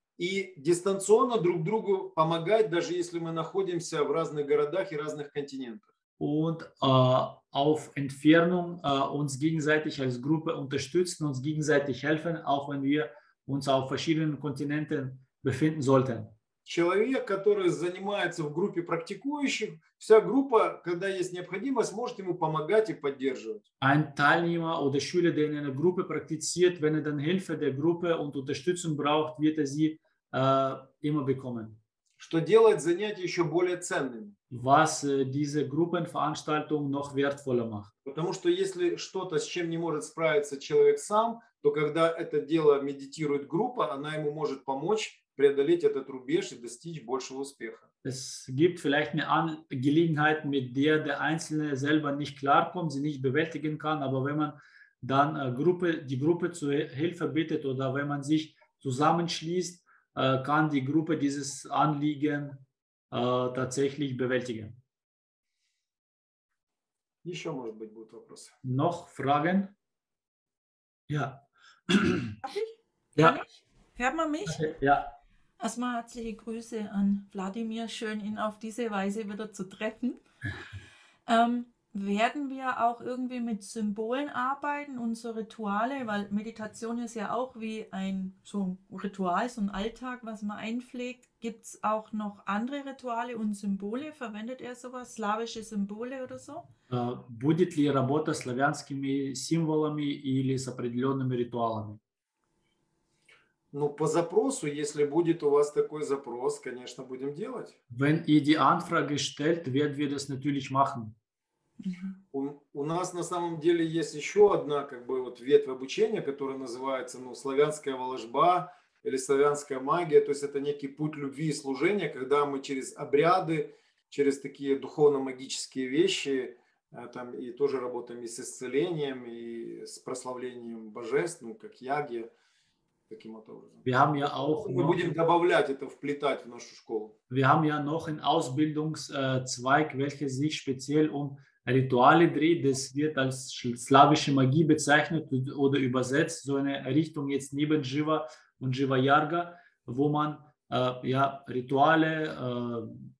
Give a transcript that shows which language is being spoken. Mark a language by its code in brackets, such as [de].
[ru] И дистанционно друг другу помогать, даже если мы находимся в разных городах и разных континентах. [de] Und auf Entfernung uns gegenseitig als Gruppe unterstützen, uns gegenseitig helfen, auch wenn wir uns auf verschiedenen Kontinenten befinden sollten. [ru] Человек, который занимается в группе практикующих, вся группа, когда есть необходимость, может ему помогать и поддерживать. [de] Ein Teilnehmer oder Schüler, der in einer Gruppe praktiziert, wenn dann Hilfe der Gruppe und Unterstützung braucht, wird sie immer bekommen. [ru] Что делает занятия еще более ценными. [de] Was diese Gruppenveranstaltung noch wertvoller macht. [ru] Потому что если что-то, с чем не может справиться человек сам, то когда это дело медитирует группа, она ему может помочь преодолеть этот рубеж и достичь большего успеха. [de] Es gibt vielleicht eine Gelegenheit, mit der der Einzelne selber nicht klarkommt, sie nicht bewältigen kann, aber wenn man dann die Gruppe zu Hilfe bittet oder wenn man sich zusammenschließt, kann die Gruppe dieses Anliegen tatsächlich bewältigen. [ru] Еще, может быть, будут вопросы. [de] Noch Fragen? Ja. Ja. Hört man mich? Ja. Erstmal herzliche Grüße an Wladimir. Schön, ihn auf diese Weise wieder zu treffen. Werden wir auch irgendwie mit Symbolen arbeiten, unsere Rituale, weil Meditation ist ja auch wie ein so ein Ritual, so ein Alltag, was man einpflegt. Gibt es auch noch andere Rituale und Symbole? Verwendet er sowas, slawische Symbole oder so? [ru] Будет ли работа с славянскими символами или с определенными ритуалами? Ну, по запросу, если будет у вас такой запрос, конечно, будем делать. [de] Wenn ihr die Anfrage stellt, werden wir das natürlich machen. [ru] У нас на самом деле есть еще одна как бы вот ветвь обучения, которая называется, ну, славянская волжба или славянская магия, то есть это некий путь любви и служения, когда мы через обряды, через такие духовно-магические вещи, там и тоже работаем и с исцелением, и с прославлением божеств, ну, как яги, таким вот образом. [de] Wir haben ja auch noch... [ru] Мы будем добавлять это, вплетать в нашу школу. [de] Wir haben ja noch einen Ausbildungszweig, welcher sich speziell um Rituale dreht, das wird als slawische Magie bezeichnet oder übersetzt, so eine Richtung jetzt neben Jiva und Jiva Yarga, wo man ja, Rituale,